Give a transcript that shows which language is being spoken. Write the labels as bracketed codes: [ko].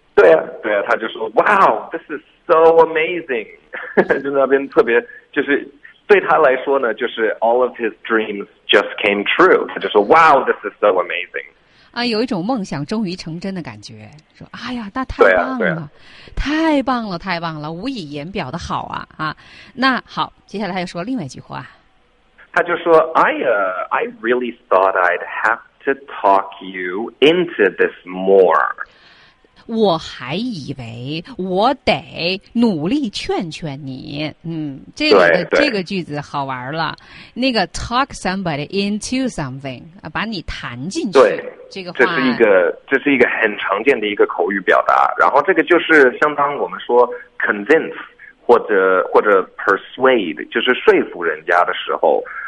[zh] 对啊，对啊，他就说 ， [en] Wow, this is so amazing， [zh] 就那边特别，就是对他来说呢，就是 [en] all of his dreams just came true， [zh] 他就说 ，Wow, this is so amazing，啊，有一种梦想终于成真的感觉，说，哎呀，那太棒了，对啊对啊、太棒了，太棒了，无以言表的好啊啊，那好，接下来他又说另外一句话，他就说 [en] ，I really thought I'd have to talk you into this more。 [zh] 我还以为我得努力劝劝你，这个句子好玩了。那个 [en] talk somebody into something， [zh] 把你谈进去。对，这个话这是一个很常见的一个口语表达。然后这个就是相当我们说 convince 或者 persuade， 就是说服人家的时候。